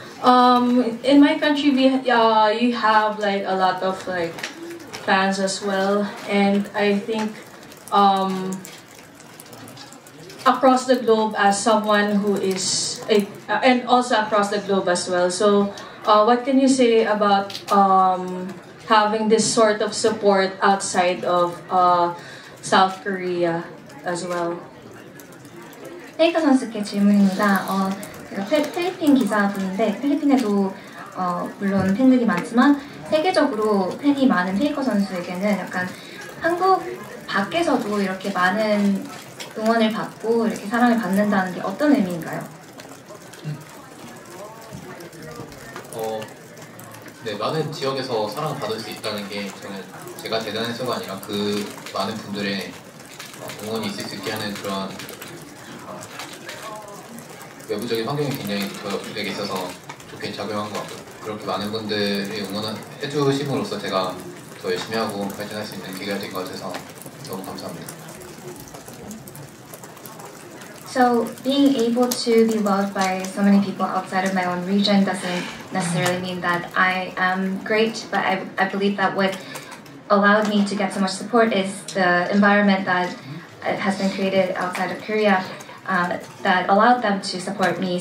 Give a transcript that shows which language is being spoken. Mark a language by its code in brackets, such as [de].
[en] In my country, you have like a lot of like fans as well, and I think across the globe as someone who is, and also across the globe as well. So, what can you say about having this sort of support outside of South Korea? As well. [ko] 페이커 선수께 질문입니다. 제가 필리핀 기자분인데 필리핀에도 물론 팬들이 많지만 세계적으로 팬이 많은 페이커 선수에게는 약간 한국 밖에서도 이렇게 많은 응원을 받고 이렇게 사랑을 받는다는 게 어떤 의미인가요? 네, 많은 지역에서 사랑을 받을 수 있다는 게 저는 제가 대단해서가 아니라 그 많은 분들의 응원이 있을 수 있게 하는 그런 외부적인 환경이 굉장히 저에게 있어서 좋게 작용한 것 같고, 그렇게 많은 분들이 응원을 해주심으로써 제가 더 열심히 하고 발전할 수 있는 기회가 된 것 같아서 너무 감사합니다. [en] So being able to be loved by so many people outside of my own region doesn't necessarily mean that I am great, but I believe that what allowed me to get so much support is the environment that has been created outside of Korea that allowed them to support me.